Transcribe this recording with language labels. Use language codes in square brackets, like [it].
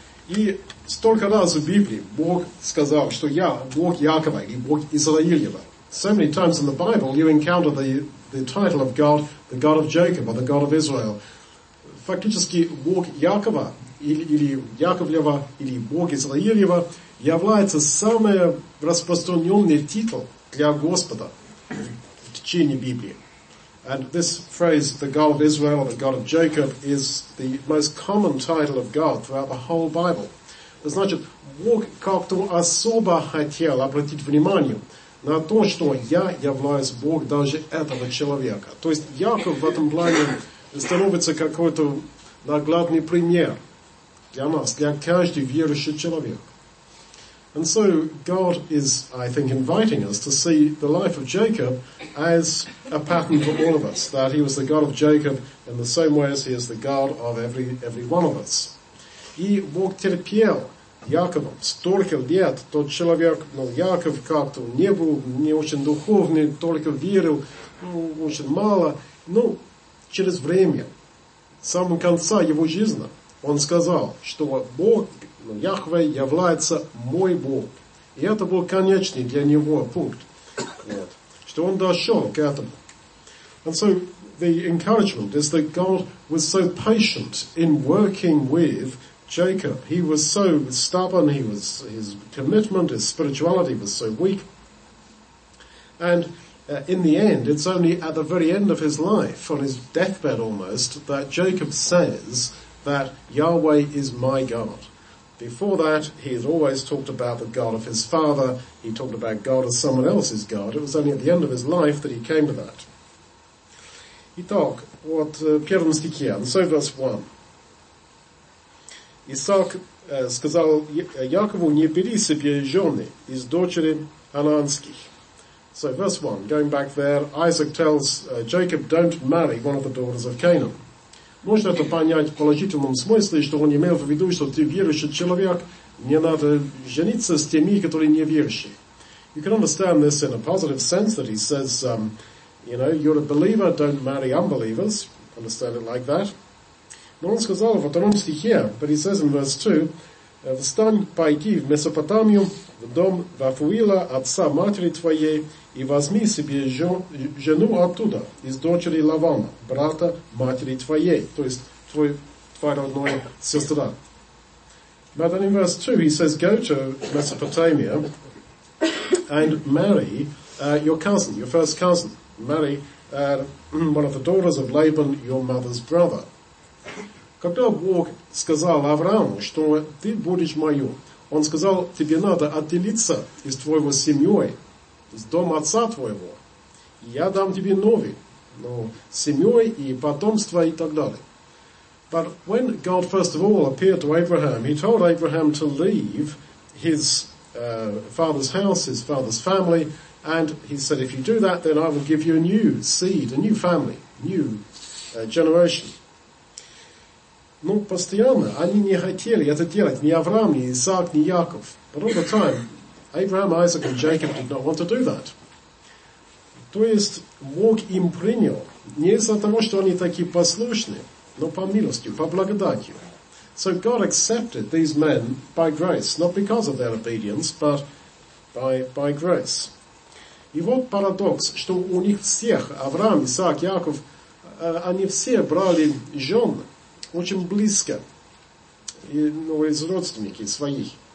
[ru] И столько раз в Библии Бог сказал, что я Бог Якова или Бог Израилева. [en] So many times in the Bible you encounter the title of God, the God of Jacob or the God of Israel. [ru] Фактически Бог Якова или Яковлева или Бог Израилева является самый распространенный титул для Господа в течение Библии. [en] And this phrase, the God of Israel, the God of Jacob, is the most common title of God throughout the whole Bible. [ru] Значит, Бог как-то особо хотел обратить внимание на то, что я являюсь Бог даже этого человека. То есть Яков в этом плане становится какой-то наглядный пример для нас, для каждого верующего человека. [en] And so God is, I think, inviting us to see the life of Jacob as a pattern for all of us, that he was the God of Jacob in the same way as he is the God of every one of us. [ru] И Бог терпел Якова столько лет, тот человек, но Яков как-то не был не очень духовный, только верил, очень мало. Но через время, в самом конце его жизни, он сказал, что Бог... Но Яхве является мой Бог. И это был конечный для него пункт. Вот. Что он дошел к этому. [en] And so the encouragement is that God was so patient in working with Jacob. He was so stubborn, his commitment, his spirituality was so weak. And in the end, it's only at the very end of his life, on his deathbed almost, that Jacob says that Yahweh is my God. Before that, he had always talked about the God of his father. He talked about God as someone else's God. It was only at the end of his life that he came to that. [ru] Итак, вот первым стихе, [en] so verse 1. [ru] Исаак сказал Якову, не бери себе жены из дочери Ананских. [en] So verse 1, going back there, Isaac tells Jacob, don't marry one of the daughters of Canaan. [ru] Можно это понять в положительном смысле, что он имел в виду, что ты верующий человек, не надо жениться с теми, которые не верующие. [en] You can understand this in a positive sense, that he says, you know, you're a believer, don't marry unbelievers. Understand it like that. [ru] Но он сказал в втором стихе, [en] but he says in verse 2, [ru] встань, пойди в Месопотамию, в дом Вафуила, отца матери твоей, и возьми себе жену оттуда, из дочери Лавана, брата матери твоей, то есть твоя родная сестра. [en] But then in verse 2 he says, go to Mesopotamia and marry your cousin, your first cousin. Marry one of the daughters of Laban, your mother's brother. [ru] Когда Бог сказал Аврааму, что ты будешь мою, он сказал, тебе надо отделиться из твоего семьей, из дома отца твоего. Я дам тебе новый, ну, семьей и потомство и так далее. [en] But when God first of all appeared to Abraham, he told Abraham to leave his father's house, his father's family, and he said, if you do that, then I will give you a new seed, a new family, new generation. [ru] Но постоянно они не хотели это делать, ни Авраам, ни Исаак, ни Яков. [en] But all the time, Abraham, Isaac, and Jacob did not want to do that. [ru] То есть, Бог им принял, не из-за того, что они такие послушные, но по милости, по благодати. [en] So God accepted these men by grace, not because of their obedience, but by grace. [ru] И вот парадокс, что у них всех, Авраам, Исаак, Яков, они все брали жен, очень близко, ну, из родственники своих.